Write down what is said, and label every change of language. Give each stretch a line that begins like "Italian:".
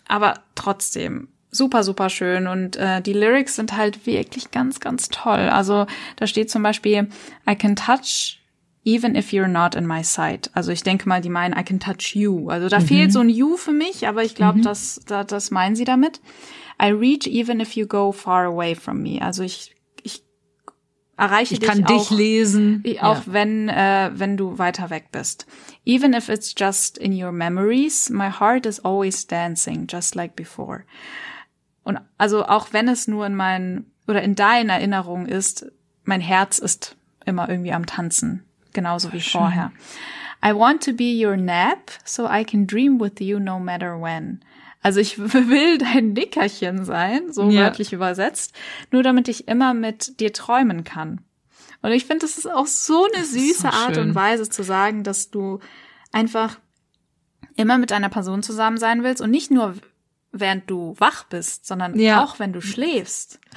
German: Aber trotzdem super, super schön. Und die Lyrics sind halt wirklich ganz, ganz toll. Also da steht zum Beispiel,
English: I can touch even if you're not in my sight.
German: Also ich denke mal, die meinen,
English: I can touch you.
German: Also da fehlt so ein you für mich, aber ich glaube, das meinen sie damit.
English: I reach even if you go far away from me.
German: Also ich erreiche dich auch. Ich kann dich lesen. Auch wenn du weiter weg bist.
English: Even if it's just in your memories, my heart is always dancing, just like before.
German: Und also auch wenn es nur in meinen oder in deinen Erinnerungen ist, mein Herz ist immer irgendwie am Tanzen, genauso wie vorher.
English: I want to be your nap, so I can dream with you no matter when.
German: Also ich will dein Nickerchen sein, so wörtlich übersetzt, nur damit ich immer mit dir träumen kann. Und ich finde, das ist auch so eine süße Art und Weise zu sagen, dass du einfach immer mit einer Person zusammen sein willst und nicht nur während du wach bist, sondern auch wenn du schläfst.